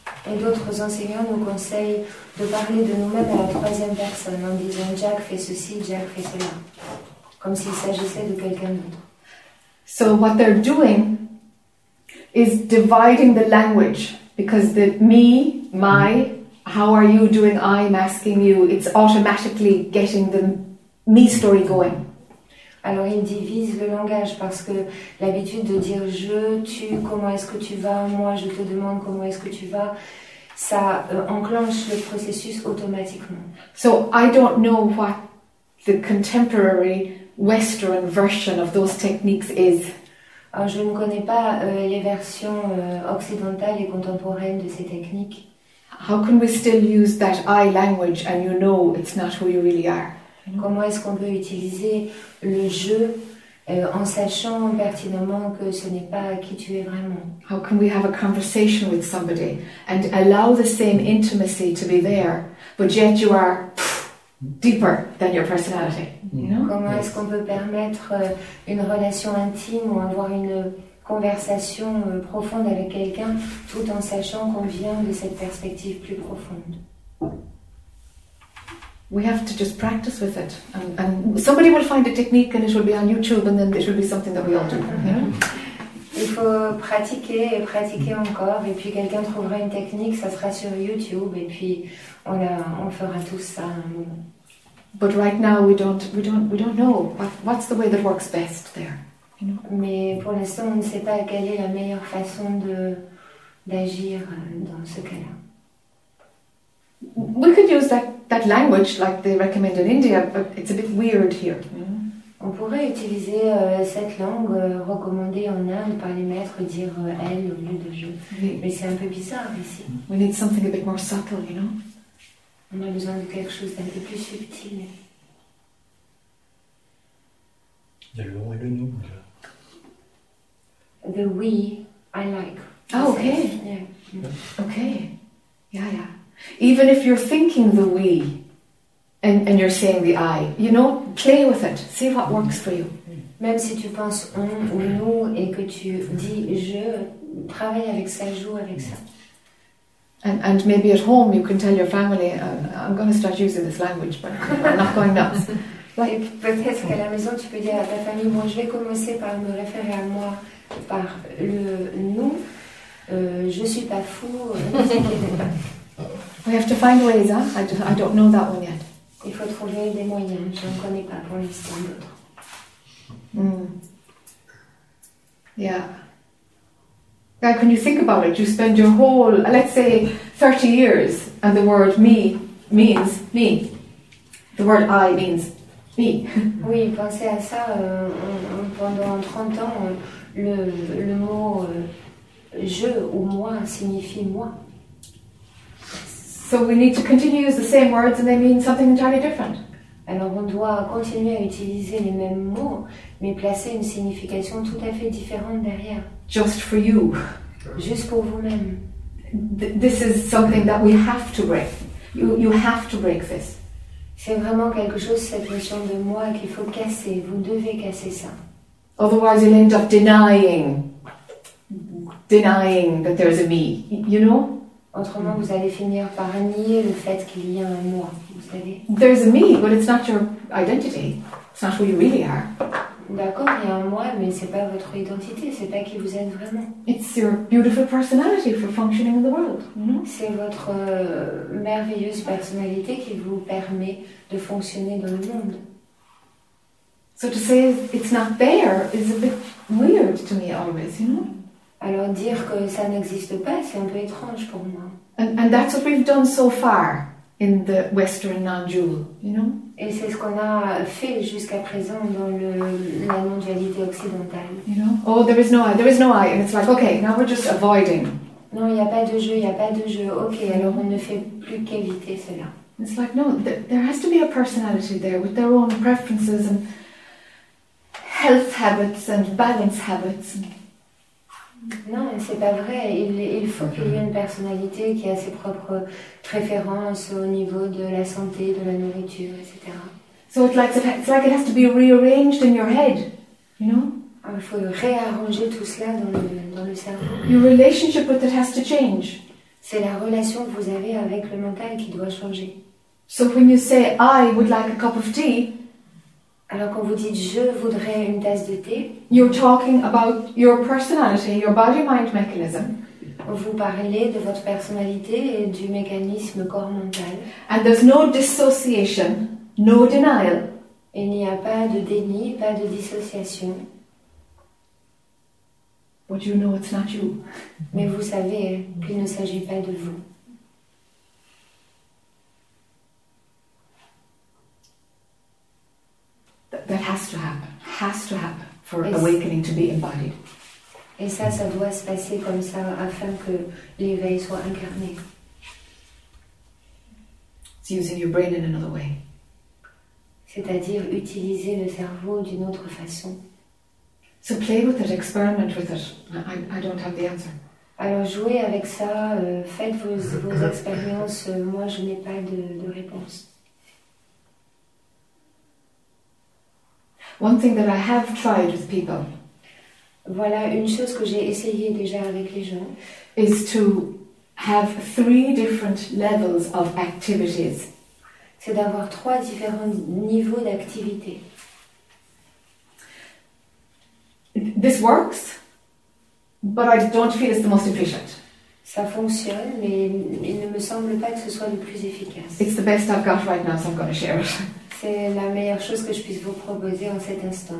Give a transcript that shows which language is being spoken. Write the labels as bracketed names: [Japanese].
[French] Et d'autres enseignants nous conseillent de parler de nous-mêmes à la troisième personne en disant Jack fait ceci, Jack fait cela, comme s'il s'agissait de quelqu'un d'autre. [English] So what they're doing is dividing the language, because the me, my, how are you doing, I'm asking you, it's automatically getting the me story going. [French] Alors ils divisent le langage parce que l'habitude de dire je, tu, comment est-ce que tu vas, moi, je te demande comment est-ce que tu vas, ça enclenche le processus automatiquement. [English] So I don't know what the contemporary Western version of those techniques is. [French] Alors, je ne connais pas les versions occidentales et contemporaines de ces techniques. [English] How can we still use that I language and you know it's not who you really are? [French] Comment est-ce qu'on peut utiliser le je en sachant pertinemment que ce n'est pas qui tu es vraiment? [English] How can we have a conversation with somebody and allow the same intimacy to be there, but yet you are deeper than your personality? You know? [French] Comment est-ce qu'on peut permettre une relation intime ou avoir une conversation profonde avec quelqu'un tout en sachant qu'on vient de cette perspective plus profonde? [English] We have to just practice with it, and somebody will find a technique, and it will be on YouTube, and then it will be something that we all do. [French] Il faut pratiquer et pratiquer encore, et puis quelqu'un trouvera une technique, ça sera sur YouTube, et puis on fera tous ça à un moment. [English] But right now we don't know what's the way that works best there. You know? [French] Mais pour l'instant, on ne sait pas quelle est la meilleure façon d'agir dans ce cas-là. [English] We could use that language like they recommend in India, but it's a bit weird here. You know? [French] On pourrait utiliser cette langue recommandée en Inde par les maîtres, dire elle au lieu de je. Mais c'est un peu bizarre ici. [English] We need something a bit more subtle, you know. [French] On a besoin de quelque chose d'un peu plus subtil. Il y a le on et le nous. [English] The we, I like. Oh, okay. Yeah. Okay. Yeah, yeah. Even if you're thinking the we, and you're saying the I, you know, play with it. See what works for you. [French] Même si tu penses on ou nous et que tu dis je, travaille avec ça, joue avec ça. [English] And maybe at home you can tell your family, I'm going to start using this language, but I'm not going nuts. [French] Like, peut-être qu'à la maison tu peux dire à ta famille, moi je vais commencer par me référer à moi par le nous. Je suis pas fou. [English] We have to find ways, huh? I don't know that one yet. [French] Il faut trouver des moyens. Je ne connais pas pour l'instant d'autres. [English] Mm. Yeah. Now, can you think about it? You spend your whole, let's say, 30 years, and the word me means me. The word I means me. [French] Oui, pensez à ça. Pendant 30 ans, le mot je ou moi signifie moi. [English] So we need to continue to use the same words, and they mean something entirely different. [French] Alors, on doit continuer à utiliser les mêmes mots, mais placer une signification tout à fait différente derrière. [English] Just for you. [French] Juste pour vous-même. [English] this is something that we have to break. You have to break this. [French] C'est vraiment quelque chose, cette notion de moi qu'il faut casser. Vous devez casser ça. [English] Otherwise, you'll end up denying that there is a me. You know? [French] Autrement, mm-hmm. vous allez finir par nier le fait qu'il y a un moi. Vous savez? [English] There is a me, but it's not your identity. It's not who you really are. [French] D'accord, il y a un moi, mais c'est pas votre identité, c'est pas qui vous êtes vraiment. [English] It's your beautiful personality for functioning in the world, you know? [French] C'est votre merveilleuse personnalité qui vous permet de fonctionner dans le monde. [English] So to say it's not there is a bit weird to me always, you know? [French] Alors dire que ça n'existe pas, c'est un peu étrange pour moi. [English] And that's what we've done so far in the Western non-dual, you know? [French] Et c'est ce qu'on a fait jusqu'à présent dans la non-dualité occidentale. [English] You know? Oh, there is no I, and it's like, okay, now we're just avoiding. [French] Non, il n'y a pas de jeu. Ok, mm-hmm. alors on ne fait plus qu'éviter cela. [English] It's like, no, there has to be a personality there with their own preferences and health habits and balance habits. [French] Non, c'est pas vrai. Il faut qu'il y ait une personnalité qui a ses propres préférences au niveau de la santé, de la nourriture, etc. [English] So it's like it has to be rearranged in your head, you know? [French] Alors, il faut réarranger tout cela dans le cerveau. [English] Your relationship with it has to change. [French] C'est la relation que vous avez avec le mental qui doit changer. [English] So when you say I would like a cup of tea, [French] alors quand vous dites je voudrais une tasse de thé, [English] you're talking about your personality, your body-mind mechanism. [French] Vous parlez de votre personnalité et du mécanisme corps mental. [English] And there's no dissociation, no denial. [French] Il n'y a pas de déni, pas de dissociation. [English] But you know it's not you. [French] Mais vous savez qu'il ne s'agit pas de vous. [English] That has to happen for awakening to be embodied. [French] Et ça doit se passer comme ça afin que l'éveil soit incarné. [English] It's using your brain in another way. [French] C'est-à-dire utiliser le cerveau d'une autre façon. [English] So play with it, experiment with it. I don't have the answer. [French] Alors jouez avec ça, faites vos expériences. Moi, je n'ai pas de réponse. [English] One thing that I have tried with people. [French] Voilà une chose que j'ai essayé déjà avec les gens. [English] Is to have three different levels of activities. [French] C'est d'avoir trois différents niveaux d'activité. [English] This works, but I don't feel it's the most efficient. [French] Ça fonctionne, mais il ne me semble pas que ce soit le plus efficace. [English] It's the best I've got right now, so I'm going to share it. [French] C'est la meilleure chose que je puisse vous proposer en cet instant.